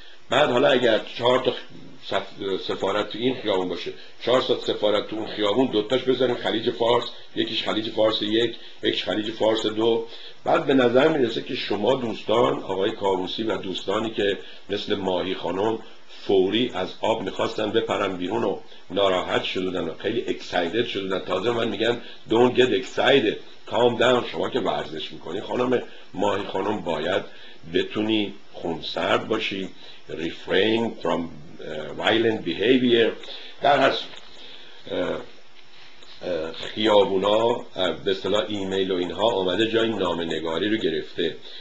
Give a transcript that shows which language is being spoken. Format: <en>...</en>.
<fa>بعد حالا اگر 4 تا سفارت تو این خیابون باشه، 400 سفارت تو اون خیابون، دوتاش بزنیم خلیج فارس، یکیش خلیج فارس 1، یکیش خلیج فارس 2، بعد به نظر میرسه که شما دوستان آقای کاووسی و دوستانی که مثل ماهی خانم فوری از آب میخواستن بپرن بیرون و ناراحت شدن و خیلی اکسایدد شدن. تازه من میگم</fa> <en>don't get excited، calm down.</en> <fa>شما که ورزش میکنی خانم ماهی خانم باید بتونی خونسرد باشی،</fa> <en>refrain from violent behavior.</en> <fa>در هست خیابونا به اصطلاح ایمیل و اینها آمده جای نامه نگاری رو گرفته.</fa>